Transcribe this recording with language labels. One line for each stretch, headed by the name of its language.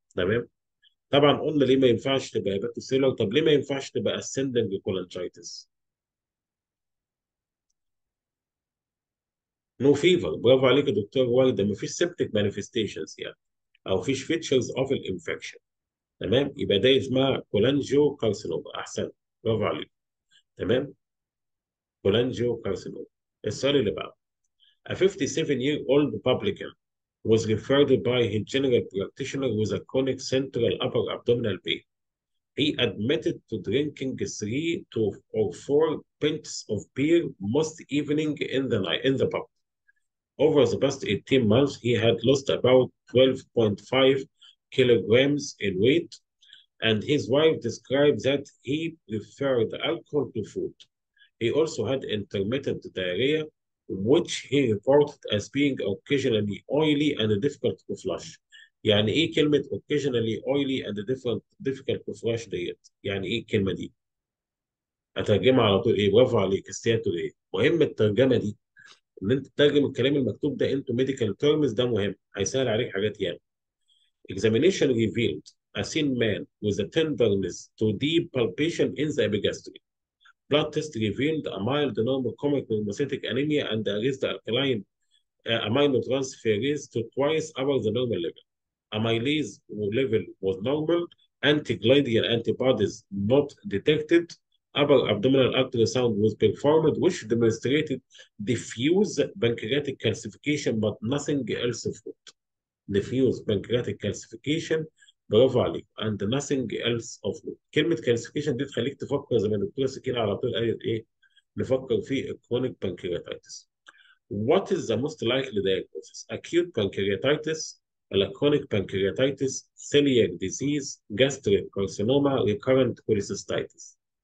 Arabic: تمام، طبعا قلنا ليه ما ينفعش تبقى هيباتوسيلر، طب ليه ما ينفعش تبقى اسندنج كولانجيتس؟
English: no fever,
Arabic: برافو عليك يا دكتور ورده، ما فيش سيبتك مانيفستيشنز يعني، او فيش فيتشرز اوف الانفكشن. تمام، يبقى ده اسمها كولانجيو كارسينوما. احسن، برافو عليك. تمام، كولانجيو كارسينوما. السؤال اللي بعده،
English: A 57 year old publican was referred by his general practitioner with a chronic central upper abdominal pain. He admitted to drinking 3 to 4 pints of beer most evening in the night in the pub. Over the past 18 months he had lost about 12.5 kilograms in weight, and his wife described that he preferred alcohol to food. He also had intermittent diarrhea, which he reported as being occasionally oily and difficult to flush.
Arabic: يعني ايه كلمة
English: occasionally oily and difficult to flush
Arabic: ديت؟ يعني ايه الكلمة دي؟ أترجمها على طول ايه؟ برافو عليك، استياتو ايه؟ مهم الترجمة دي، إن أنت تترجم الكلام المكتوب ده
English: into medical terms،
Arabic: ده مهم، هيسهل عليك حاجات يعني.
English: Examination revealed a thin man with a tenderness to deep palpation in the epigastric. Blood test revealed a mild normochromic leukocytic anemia and a raised alkaline aminotransferase to twice above the normal level. Amylase level was normal, antigliadin antibodies not detected, upper abdominal ultrasound was performed which demonstrated diffuse pancreatic calcification but nothing else followed. diffuse pancreatic calcification،
Arabic: برافو عليك،
English: and nothing else of note.
Arabic: كلمة calcification دي تخليك تفكر زي ما الدكتورة سكينة على طول قالت ايه؟ نفكر في chronic pancreatitis.
English: What is the most likely diagnosis؟ acute pancreatitis،
Arabic: ولا
English: chronic pancreatitis، celiac disease، gastric carcinoma، recurrent cholecystitis.